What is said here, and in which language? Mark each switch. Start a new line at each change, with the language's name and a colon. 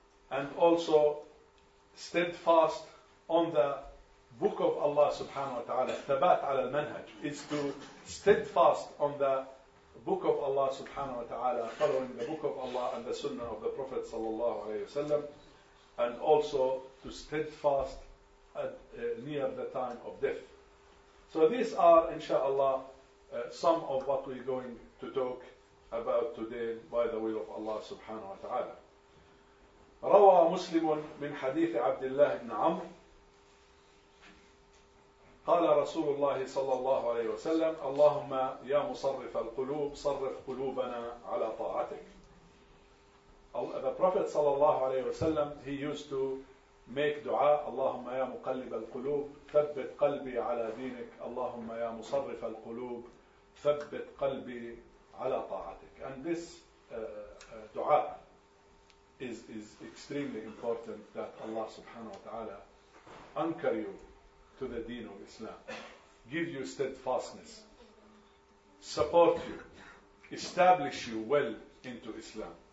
English: And also steadfast on the book of Allah subhanahu wa ta'ala, thabat ala al-manhaj, is to steadfast on the book of Allah subhanahu wa ta'ala, following the book of Allah and the sunnah of the Prophet sallallahu alayhi wa sallam, and also to steadfast near the time of death. So these are, inshallah, some of what we're going to talk about today by the will of Allah subhanahu wa ta'ala.
Arabic: روى مسلم من حديث عبد الله بن عمرو قال رسول الله صلى الله عليه وسلم اللهم يا مصرف القلوب صرف قلوبنا على طاعتك.
English: The Prophet صلى الله عليه وسلم, he used to make dua,
Arabic: اللهم يا مقلب القلوب ثبت قلبي على دينك, اللهم يا مصرف القلوب ثبت قلبي على طاعتك.
English: And this dua is extremely important, that Allah subhanahu wa ta'ala anchor you to the deen of Islam, give you steadfastness, support you, establish you well into Islam.